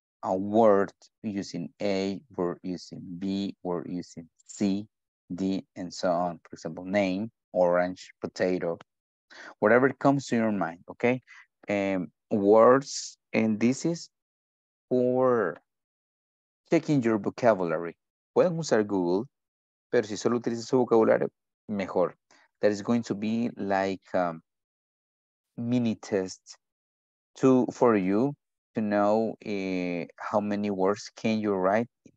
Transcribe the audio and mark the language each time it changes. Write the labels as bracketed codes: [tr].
[en] A word using A, word using B, word using C, D, and so on. For example, name, orange, potato, whatever comes to your mind, okay? Words, and this is for checking your vocabulary. [es] Pueden usar Google, pero si solo utilizan su vocabulario, mejor. [en] That is going to be like a mini test for you to know how many words can you write.